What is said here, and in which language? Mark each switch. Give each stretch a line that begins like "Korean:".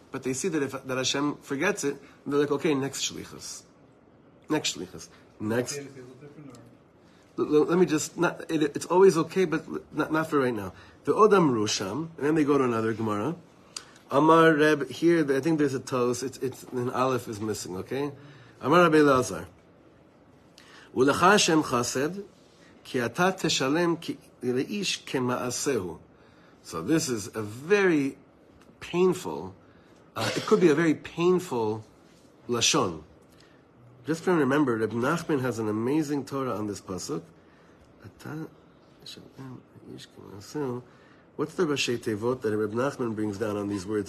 English: But they see that Hashem forgets it. And they're like, okay, next shlichus. Next shlichus. Next. It's always okay, but not for right now. The Odam Rusham, and then they go to another Gemara. Amar Reb, here, I think there's a toast. It's an aleph is missing, okay?
Hebrew: Amar Rabbi Lazar. ולך השם חסד, כי אתה תשלם לאיש כמעשהו.
English: So this is a very painful, it could be a very painful lashon. Just to remember, Reb Nachman has an amazing Torah on this pasuk.
Hebrew: אתה תשלם לאיש כמעשהו.
English: What's the Rashi Tevot that Reb Nachman brings down on these words?